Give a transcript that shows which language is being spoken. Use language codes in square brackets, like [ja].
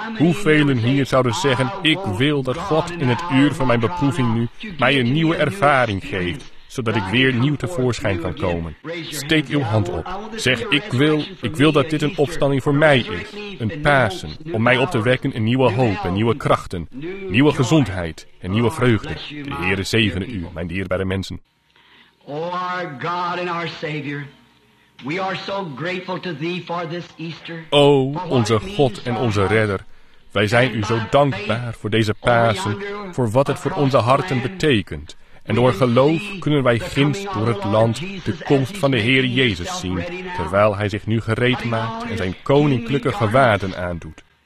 [nl] Hoeveelen hier zouden zeggen, ik wil dat God in het uur van mijn beproeving nu mij een nieuwe ervaring geeft, zodat ik weer nieuw tevoorschijn kan komen. Steek uw hand op. Zeg, ik wil dat dit een opstanding voor mij is. Een Pasen, om mij op te wekken in nieuwe hoop en nieuwe krachten, nieuwe gezondheid en nieuwe vreugde. De Heere zegene u, mijn dierbare mensen. [en] O, our God and our Savior, we are so grateful to thee for this Easter. [nl] O, onze God en onze Redder, wij zijn u zo dankbaar voor deze Pasen, voor wat het voor onze harten betekent. En door geloof kunnen wij ginds door het land de komst van de Heer Jezus zien, terwijl hij zich nu gereed maakt en zijn koninklijke gewaden aandoet.